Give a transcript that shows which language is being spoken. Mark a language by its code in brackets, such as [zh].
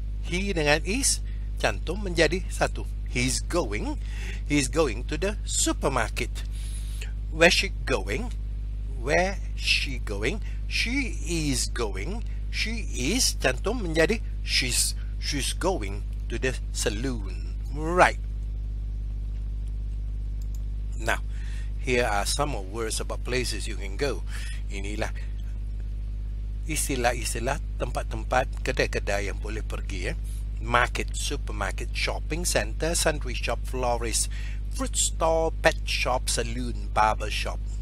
[ms] He dengan is, cantum menjadi satu. [en] He's going. He's going to the supermarket. Where's she going? Where she going? She is going. She is, [ms] cantum menjadi [en] she's going to the saloon. Right. Now, here are some words about places you can go. [ms] Inilah istilah-istilah tempat-tempat kedai-kedai yang boleh pergi. Eh? [en] Market, supermarket, shopping center, sundry shop, florist, fruit store, pet shop, saloon, barber shop.